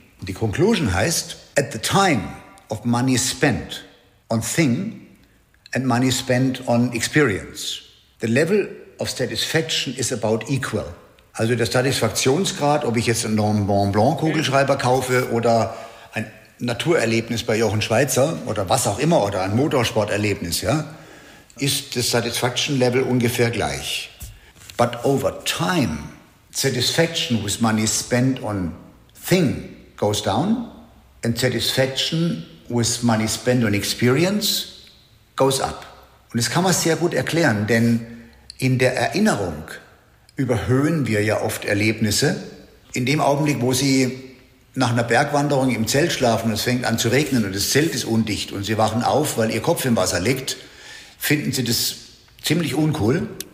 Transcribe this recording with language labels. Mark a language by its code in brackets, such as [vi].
[de] Und die Conclusion heißt, [en] at the time of money spent on thing and money spent on experience, the level of satisfaction is about equal. [de] Also der Satisfaktionsgrad, ob ich jetzt einen Mont Blanc Kugelschreiber kaufe oder ein Naturerlebnis bei Jochen Schweizer oder was auch immer oder ein Motorsporterlebnis, ja, ist das Satisfaction Level ungefähr gleich. [en] But over time, satisfaction with money spent on thing goes down and satisfaction with money spent on experience goes up. [de] Und das kann man sehr gut erklären, denn in der Erinnerung überhöhen wir ja oft Erlebnisse. In dem Augenblick, wo Sie nach einer Bergwanderung im Zelt schlafen und es fängt an zu regnen und das Zelt ist undicht und Sie wachen auf, weil Ihr Kopf im Wasser liegt, finden Sie das ziemlich uncool.